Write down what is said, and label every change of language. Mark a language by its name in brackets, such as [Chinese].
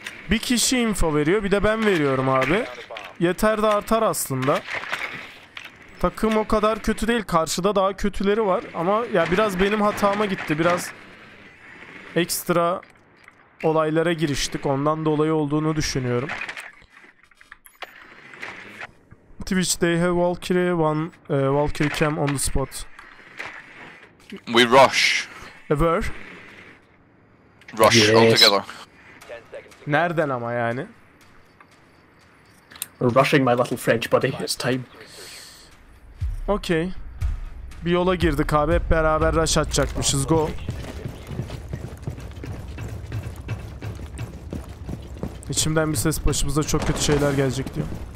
[Turkish] Bir kişi info veriyor, bir de ben veriyorum abi. Yeter de artar aslında. Takım o kadar kötü değil, karşıda daha kötüleri var ama ya biraz benim hatama gitti, biraz ekstra olaylara giriştik, ondan dolayı olduğunu düşünüyorum. [English] Twitch, they have Valkyrie, one Valkyrie cam on the spot. We rush. Ever? Rush, yes. Altogether. [Turkish] Nereden ama yani? [English] We're rushing my little French buddy, it's time. Okay. [Turkish] Bir yola girdik abi, hep beraber rush atacakmışız, go. İçimden bir ses başımıza çok kötü şeyler gelecek diyor.